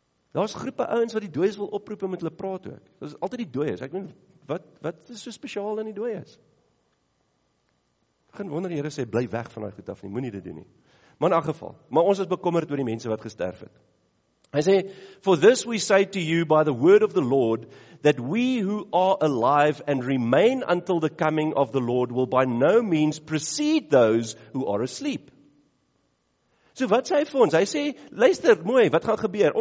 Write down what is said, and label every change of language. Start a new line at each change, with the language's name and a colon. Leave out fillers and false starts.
Afrikaans: Daar is groepe ouens wat die dooies wil oproep en met hulle praat ook. Dit is altyd die dooies. Ek meen, wat is so spesiaal in die dooies? Begin wonder, Here sê, bly weg van daai goed af nie, moenie dit doen nie. Maar in elk geval, maar ons is bekommerd oor die mense wat gesterf het.
English: Hy sê, for this we say to you by the word of the Lord, that we who are alive and remain until the coming of the Lord will by no means precede those who are asleep.
Afrikaans: So wat sê hy vir ons? Hy sê, luister mooi, wat gaan gebeur?